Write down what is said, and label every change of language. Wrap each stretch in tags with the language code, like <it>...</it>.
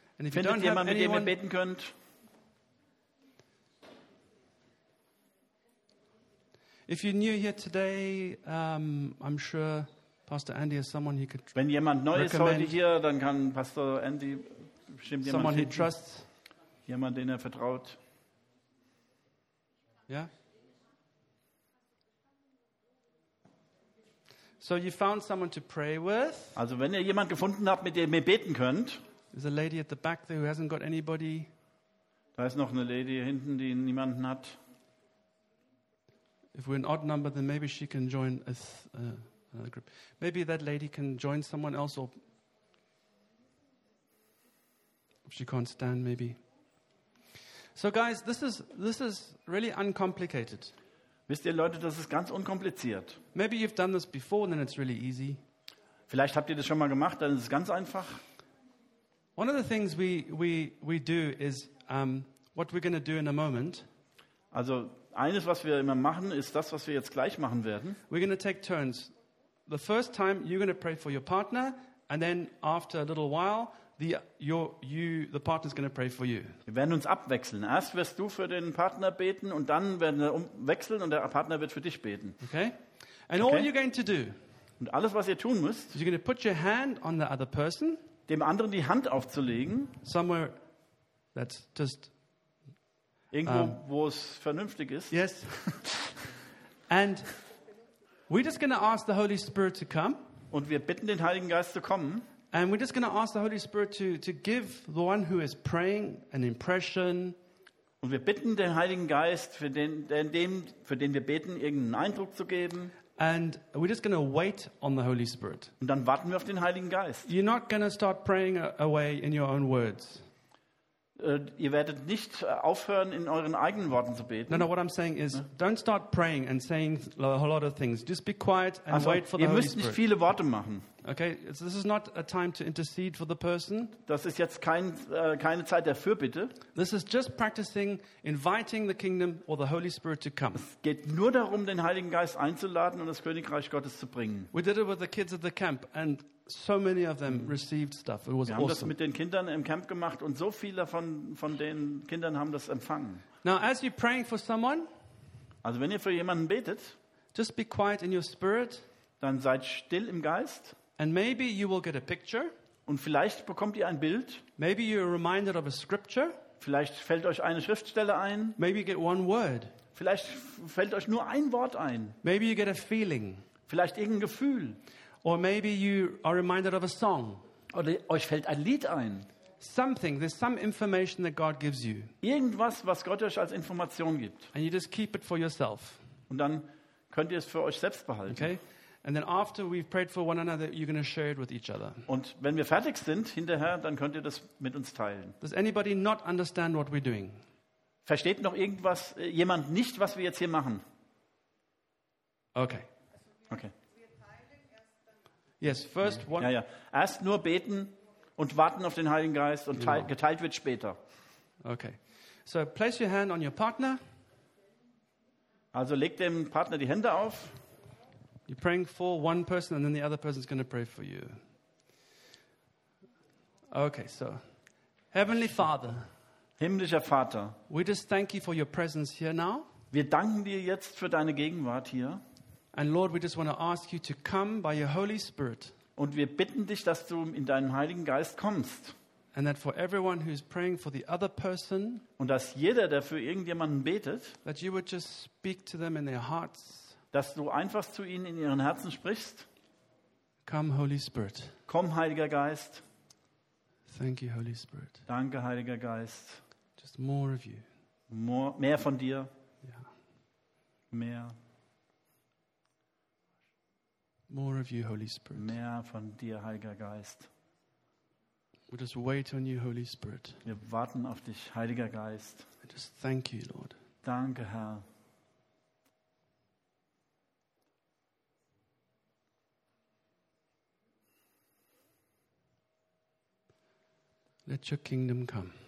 <en>and if you don't have anyone,</en> <de>mit dem beten könnt.</de> <en>If you're new here today, I'm sure Pastor Andy is someone you could recommend.</en> <de>Wenn jemand neu ist heute hier, dann kann Pastor Andy bestimmt jemanden finden.</de> <en>Someone he trusts.</en> <de>Jemand, den vertraut.</de> <en>Yeah. So you found someone to pray with.</en> <de>Also wenn ihr jemand gefunden habt, mit dem ihr beten könnt.</de> <en>There's a lady at the back there who hasn't got anybody.</en> <de>Da ist noch eine Lady hinten, die niemanden hat.</de> <en>If we're an odd number, then maybe she can join another group. Maybe that lady can join someone else. Or if she can't stand, maybe. So guys, this is really uncomplicated.</en> <de>Wisst ihr, Leute, das ist ganz unkompliziert.</de> <en>Maybe you've done this before, and then it's really easy.</en> <de>Vielleicht habt ihr das schon mal gemacht, dann ist es ganz einfach.</de> <en>One of the things we do is what we're going to do in a moment.</en> <de>Also eines, was wir immer machen, ist das, was wir jetzt gleich machen werden.</de> <en>We're going to take turns. The first time you're going to pray for your partner, and then after a little while, the partner is going to pray for you.</en> <de>Wir werden uns abwechseln. Erst wirst du für den Partner beten und dann werden wir wechseln und der Partner wird für dich beten.</de> <en>Okay? And all you're going to do.</en> <de>Und alles, was ihr tun müsst,</de> <en>you're going to put your hand on the other person.</en> <de>Dem anderen die Hand aufzulegen.</de> <en>Somewhere that's just</en> <de>Irgendwo, wo es vernünftig ist.</de> <en>Yes. And we're just going to ask the Holy Spirit to come.</en> <de>Und wir bitten den Heiligen Geist zu kommen.</de> <en>And we're just going to ask the Holy Spirit to give the one who is praying an impression.</en> <de>Und wir bitten den Heiligen Geist, für den wir beten, irgendeinen Eindruck zu geben.</de> <en>And we're just going to wait on the Holy Spirit.</en> <de>Und dann warten wir auf den Heiligen Geist.</de> <en>You're not going to start praying away in your own words.</en> <de>Ihr werdet nicht aufhören, in euren eigenen Worten zu beten.</de> <en>No, what I'm saying is, don't start praying and saying a whole lot of things. Just be quiet and wait for the Holy Spirit.</en> <de>Ihr müsst nicht viele Worte machen.</de> <en>Okay, so this is not a time to intercede for the person.</en> <de>Das ist jetzt keine Zeit der Fürbitte.</de> <en>This is just practicing inviting the kingdom or the Holy Spirit to come.</en> <de>Es geht nur darum, den Heiligen Geist einzuladen und das Königreich Gottes zu bringen.</de> <en>We did it with the kids at the camp, and so many of them received stuff. It was awesome.</en> <de>Wir haben das mit den Kindern im Camp gemacht, und so viele von den Kindern haben das empfangen.</de> <en>Now, as you're praying for someone,</en> <de>also wenn ihr für jemanden betet,</de> <en>just be quiet in your spirit.</en> <de>Dann seid still im Geist.</de> <en>And maybe you will get a picture.</en> <de>Und vielleicht bekommt ihr ein Bild.</de> <en>Maybe you are reminded of a scripture.</en> <de>Vielleicht fällt euch eine Schriftstelle ein.</de> <en>Maybe you get one word.</en> <de>Vielleicht fällt euch nur ein Wort ein.</de> <en>Maybe you get a feeling.</en> <de>Vielleicht irgendein Gefühl.</de> <en>Or maybe you are reminded of a song.</en> <de>Oder euch fällt ein Lied ein.</de> <en>Something, there's some information that God gives you.</en> <de>Irgendwas, was Gott euch als Information gibt.</de> <en>And you just keep it for yourself.</en> <de>Und dann könnt ihr es für euch selbst behalten.</de> <en>Okay? And then after we've prayed for one another, you're going to share it with each other.</en> <de>Und wenn wir fertig sind hinterher, dann könnt ihr das mit uns teilen.</de> <en>Does anybody not understand what we're doing?</en> <de>Versteht noch irgendwas jemand nicht, was wir jetzt hier machen?</de> <en>Okay. Okay. Yes, first one.</en> <de>Ja, ja. Erst nur beten und warten auf den Heiligen Geist, und geteilt wird später.</de> <en>Okay. So place your hand on your partner.</en> <de>Also leg dem Partner die Hände auf.</de> <en>You're praying for one person, and then the other person's going to pray for you. Okay, so Heavenly Father,</en> <de>himmlischer Vater,</de> <en>we just thank you for your presence here now.</en> <de>Wir danken dir jetzt für deine Gegenwart hier.</de> <en>And Lord, we just want to ask you to come by your Holy Spirit.</en> <de>Und wir bitten dich, dass du in deinen Heiligen Geist kommst.</de> <en>And that for everyone who's praying for the other person,</en> <de>und dass jeder, der für irgendjemanden betet,</de> <en>that you would just speak to them in their hearts.</en> <de>Dass du einfach zu ihnen in ihren Herzen sprichst.</de> <en>Come, Holy Spirit.</en> <de>Komm, Heiliger Geist.</de> <en>Thank you, Holy Spirit.</en> <de>Danke, Heiliger Geist.</de> <en>Just more of you.</en> <de>Mehr von dir.</de> <en>Yeah.</en> <de>Mehr.</de> <en>More of you, Holy Spirit.</en> <de>Mehr von dir, Heiliger Geist.</de> <en>We just wait on you, Holy Spirit.</en> <de>Wir warten auf dich, Heiliger Geist.</de> <en>I just thank you, Lord.</en> <de>Danke, Herr.</de> <en>Let your kingdom come.</en>